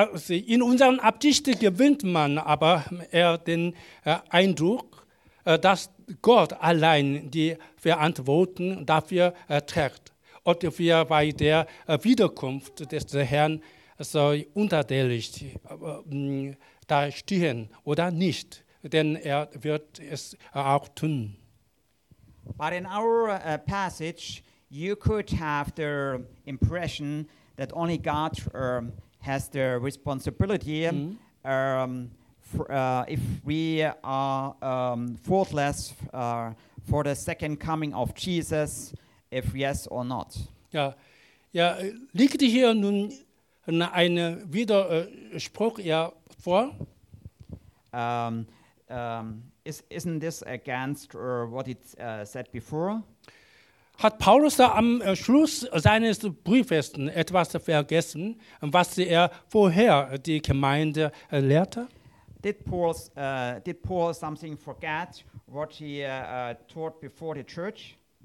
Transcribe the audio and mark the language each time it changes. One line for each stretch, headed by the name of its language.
German: In unseren Absichten gewinnt man aber eher den Eindruck, dass Gott allein die Verantwortung dafür trägt, ob wir bei der Wiederkunft des Herrn so unterteilig da stehen oder nicht. Denn er wird es auch tun.
English: But in our passage, you could have the impression that only God has the responsibility if we are faultless for the second coming of Jesus, if yes or not.
German: Ja, liegt hier nun ein Widerspruch vor?
English: Isn't this against what it said before?
German: Hat Paulus da am Schluss seines Briefes etwas vergessen, was er vorher die Gemeinde lehrte?
English: Did Paul something forget what he taught before the church?